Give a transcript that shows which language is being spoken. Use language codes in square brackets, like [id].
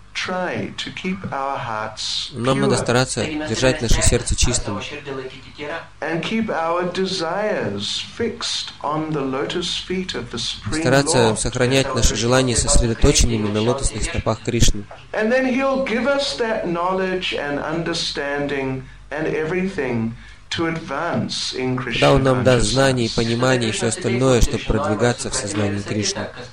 [ru] Нам надо стараться держать наше сердце чистым и стараться сохранять наши желания сосредоточенными на лотосных стопах Кришны. [en] And then he'll give us that knowledge and understanding and everything to advance in Krishna. [ru] Да, он нам даст знания и понимание и все остальное, чтобы продвигаться в сознании Кришны.